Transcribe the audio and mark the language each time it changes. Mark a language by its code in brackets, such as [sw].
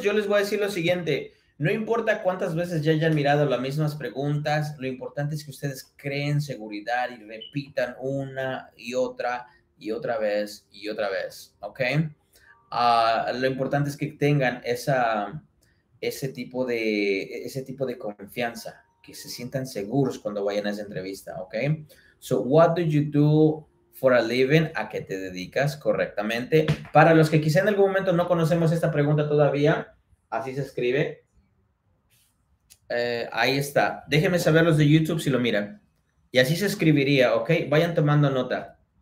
[es] Yo les voy a decir lo siguiente. No importa cuántas veces ya hayan mirado las mismas preguntas, lo importante es que ustedes creen seguridad y repitan una y otra y otra vez y otra vez. Okay. Lo importante es que tengan ese tipo de confianza, que se sientan seguros cuando vayan a esa entrevista, ¿ok? [en] So, what do you do for a living? [es] ¿A qué te dedicas correctamente? Para los que quizá en algún momento no conocemos esta pregunta todavía, así se escribe. Ahí está. Déjenme saber los de YouTube si lo miran. Y así se escribiría, ¿ok? Vayan tomando nota.